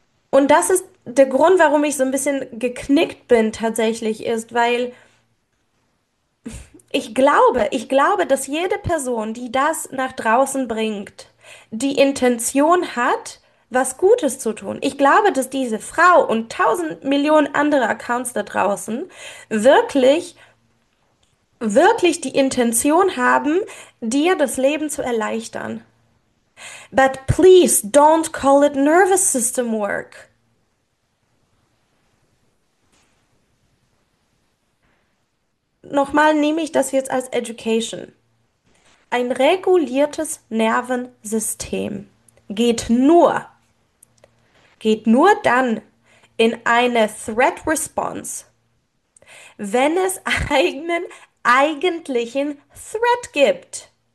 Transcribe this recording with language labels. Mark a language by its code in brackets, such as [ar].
[de] Und das ist der Grund, warum ich so ein bisschen geknickt bin tatsächlich, ist, weil ich glaube, dass jede Person, die das nach draußen bringt, die Intention hat, was Gutes zu tun. Ich glaube, dass diese Frau und 1000 Millionen andere Accounts da draußen wirklich, wirklich die Intention haben, dir das Leben zu erleichtern. [en] But please don't call it nervous system work. [de] Nochmal nehme ich das jetzt als Education. Ein reguliertes Nervensystem geht nur dann in eine Threat Response, wenn es einen eigentlichen Threat gibt.